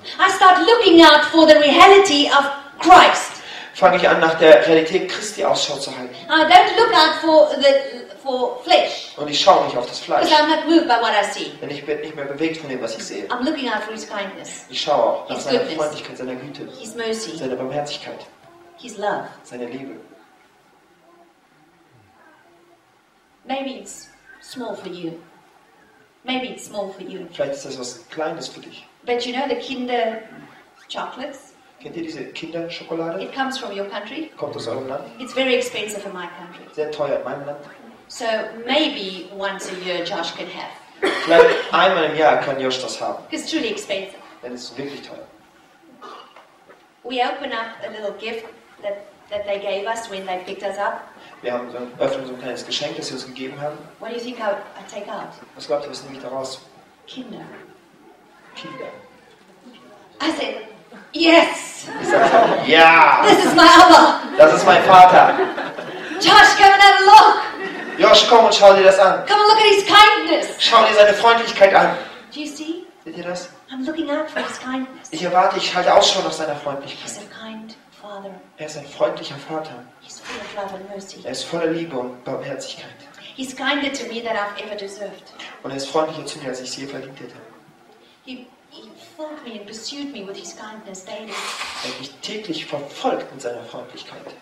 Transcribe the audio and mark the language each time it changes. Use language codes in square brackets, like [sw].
[en] I start looking out for the reality of Christ. [de] Fange ich an, nach der Realität Christi Ausschau zu halten. [en] I don't look out for flesh. [de] Und ich schaue nicht auf das Fleisch. [en] Because I'm not moved by what I see. [de] Denn ich bin nicht mehr bewegt von dem, was ich sehe. [en] I'm looking out for His kindness. [de] Ich schaue auch nach seiner Freundlichkeit, seiner Güte, [en] His mercy, [de] seiner Barmherzigkeit, [en] His love, [de] seine Liebe. [en] Maybe it's small for you. Maybe it's small for you. [de] Vielleicht ist das was Kleines für dich. [en] But you know the Kinder chocolates? [de] Kennt ihr diese Kinderschokolade? [en] It comes from your country. [de] Kommt aus eurem Land. [en] It's very expensive in my country. [de] Sehr teuer in meinem Land. [en] So maybe once a year Josh can have. [de] Vielleicht einmal im Jahr kann Josh das haben. [en] It's truly expensive. [de] Denn es ist wirklich teuer. [en] We open up a little gift that they gave us when they picked us up. [de] Wir haben öffnen so ein kleines Geschenk, das sie uns gegeben haben. [en] What do you think I take out? [de] Was glaubt ihr, was nehme ich daraus? [en] Kinder. [de] Kinder. [en] I said, yes. [de] Ich sagte, ja. [en] This is my Abba. [de] Das ist mein Vater. [en] Josh, come and have a look. [de] Josh, komm und schau dir das an. [en] Come and look at his kindness. [de] Schau dir seine Freundlichkeit an. [en] Do you see? [de] Seht ihr das? [en] I'm looking out for his kindness. [de] Ich erwarte, ich halte Ausschau nach seiner Freundlichkeit. [en] He's a kind. [de] Er ist ein freundlicher Vater. [en] He's full of love and mercy. [de] Er ist voller Liebe und Barmherzigkeit. [en] He's kinder to me than I've ever deserved. [de] Und er ist freundlicher zu mir, als ich es je verdient hätte. [en] He filled me and pursued me with his kindness daily. [de] Er hat mich täglich verfolgt mit seiner Freundlichkeit.